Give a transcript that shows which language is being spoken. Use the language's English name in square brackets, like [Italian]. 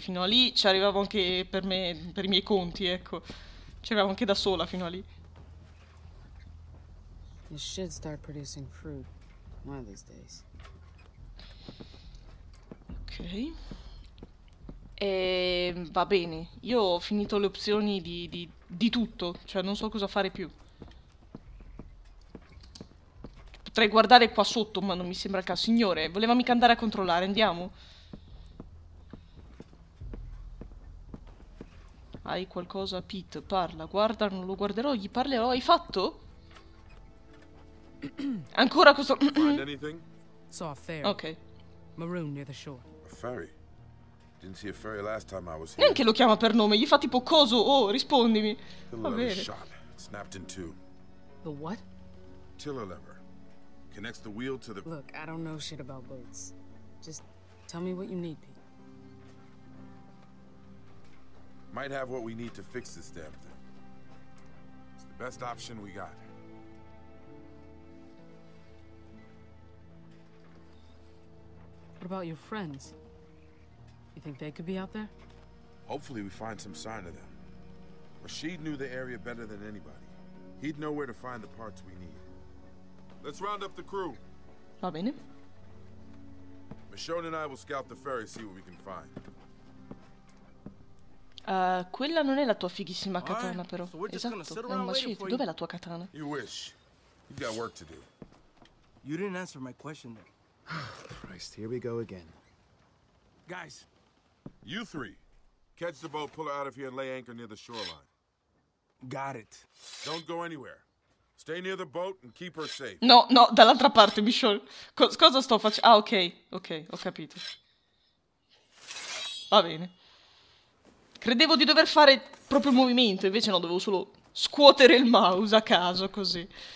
[Italian] Fino a lì ci arrivavo anche per me, per i miei conti, ecco. Ci arrivavo anche da sola fino a lì. [English] It should start producing fruit one of these days. [Italian] Ok. E va bene. Io ho finito le opzioni di tutto. Cioè, non so cosa fare più. Potrei guardare qua sotto, ma non mi sembra il caso. Signore, voleva mica andare a controllare. Andiamo. Hai qualcosa, Pete? Parla, guarda, non lo guarderò, gli parlerò. Hai fatto? Ancora questo. [English] Saw a ferry. Ok. Maroon near the shore. A ferry. Didn't see a ferry last time I was here. [Italian] Neanche lo chiama per nome, gli fa tipo coso, oh, rispondimi. Va bene. [English] Shot. Snapped in two. The what? Tiller lever. Connects the wheel to the. Look, I don't know shit about boats. Just tell me what you need, Pete. Might have what we need to fix this damn thing. It's the best option we got. What about your friends? You think they could be out there? Hopefully we find some sign of them. Rashid knew the area better than anybody. He'd know where to find the parts we need. Let's round up the crew. [Italian] Va bene. [English] Michonne and I will scout the ferry, see what we can find. [Italian] Quella non è la tua fighissima katana, però. Esatto, è un machete. Dov'è la tua katana? [English] You wish. You've got work to do. You didn't answer my question, though. Christ, here we go again. Guys. You three. Catch the boat, pull her out of here, and lay anchor near the shoreline. Got it. Don't go anywhere. Stay near the boat and keep her safe. [Italian] No, no, dall'altra parte, Michonne. Cosa sto facendo? Ah, ok. Ok, ho capito. Va bene. Credevo di dover fare proprio il movimento, invece no, dovevo solo scuotere il mouse a caso, così.